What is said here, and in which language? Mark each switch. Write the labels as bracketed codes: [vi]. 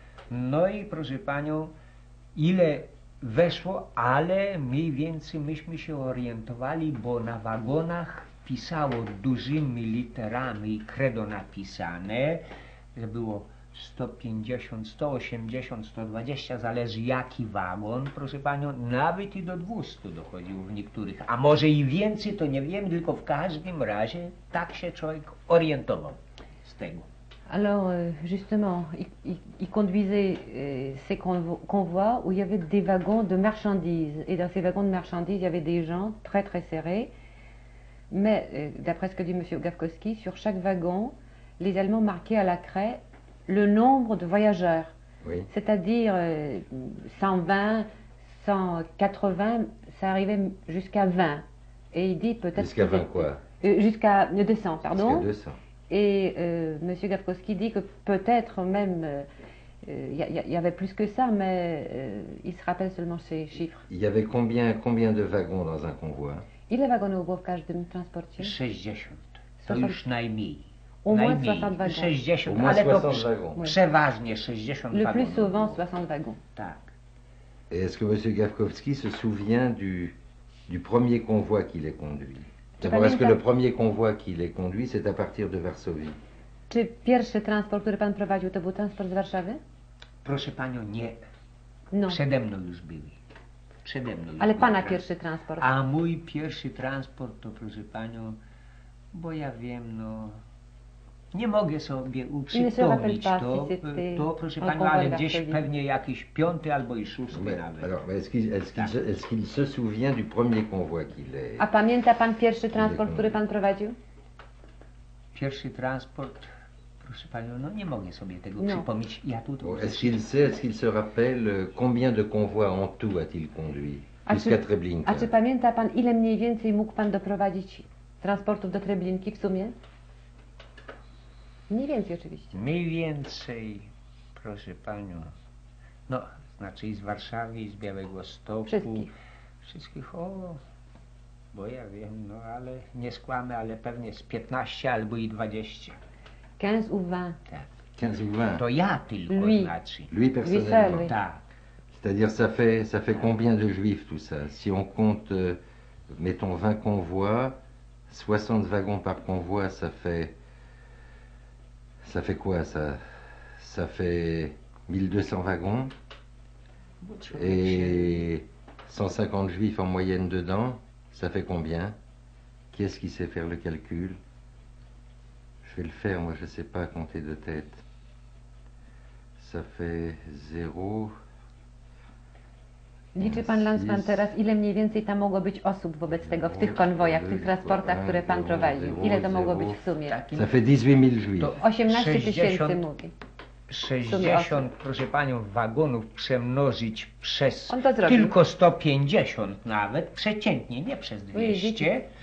[pl] No i proszę panią, ile weszło, ale mniej więcej myśmy się orientowali, bo na wagonach pisało dużymi literami kredo napisane, że było 150, 180, 120, zależy jaki wagon, proszę panią, nawet i do 200 dochodził w niektórych, a może i więcej, to nie wiem, tylko w każdym razie tak się człowiek orientował z tego. [fr] Alors justement, il conduisait ces convois où il y avait des wagons de marchandises, et dans ces wagons de marchandises, il y avait des gens très très serrés, mais d'après ce que dit M. Gawkowski, sur chaque wagon, les Allemands marquaient à la craie le nombre de voyageurs, oui. C'est-à-dire 120, 180, ça arrivait jusqu'à 20. Et il dit peut-être... Jusqu'à 20 quoi? Jusqu'à 200, pardon. Jusqu'à 200. Et M. Gawkowski dit que peut-être même, il y avait plus que ça, mais il se rappelle seulement ces chiffres. Il y avait combien de wagons dans un convoi? [pl] Ile wagonów było w każdym transporcie? 60. To już najmniej. [fr] Au moins 60 wagons. 60, au moins 60 wagons. [pl] Przeważnie 60 [fr] wagons. Le plus souvent 60 wagons. [pl] Tak. [fr] Et est-ce que M. Gawkowski se souvient du premier convoi qui l'est conduit? D'abord, est-ce que le premier convoi qui l'est conduit, c'est à partir de Varsovie? [pl] Czy pierwszy transport, który pan prowadził, to był transport z Warszawy? Proszę panią, nie. No. Przede mną już byli. Przede mną już. Ale pana pierwszy transport. A mój pierwszy transport to, proszę panią, bo ja wiem, no... Nie mogę sobie uprzypomnieć to, proszę panią, ale gdzieś pewnie jakiś piąty albo i szósty [fr] mais, [pl] nawet. [fr] Alors, est-ce qu'il se souvient du premier convoi qu'il est... [pl] A pamięta pan pierwszy transport, który pan prowadził? Pierwszy transport, proszę panią, no nie mogę sobie tego przypomnieć. Ja tu [fr] bon, est-ce qu'il se rappelle combien de convoi en tout a-t-il conduit jusqu'à Treblinka? [pl] A czy pamięta pan, ile mniej więcej mógł pan doprowadzić transportów do Treblinki w sumie? Mniej więcej oczywiście. Mniej więcej, proszę panią, no, znaczy i z Warszawy, i z Białegostoku. Wszystkich, o, bo ja wiem, no ale nie skłamę, ale pewnie z 15 albo i 20. [fr] 15 ou 20. [pl] Tak. [fr] 15 ou 20. [pl] To ja tylko, [fr] lui. [pl] Znaczy. [fr] Lui personnellement. Lui. [pl] Tak. [fr] C'est-à-dire, ça fait combien de juifs tout ça? Si on compte, mettons 20 convois, 60 wagons par convoi, ça fait quoi, ça? Ça fait 1200 wagons. Et 150 juifs en moyenne dedans, ça fait combien? Qui est-ce qui sait faire le calcul? Je vais le faire, moi je ne sais pas compter de tête. Ça fait 0. [pl] Liczy pan Landsman teraz, ile mniej więcej tam mogło być osób wobec tego w tych konwojach, w tych transportach, które pan prowadził? Ile to mogło być w sumie? [fr] Ça fait 18 000 juifs. [pl] 18 tysięcy mówi. 60, proszę panią, wagonów przemnożyć przez tylko 150 nawet, przeciętnie, nie przez 200.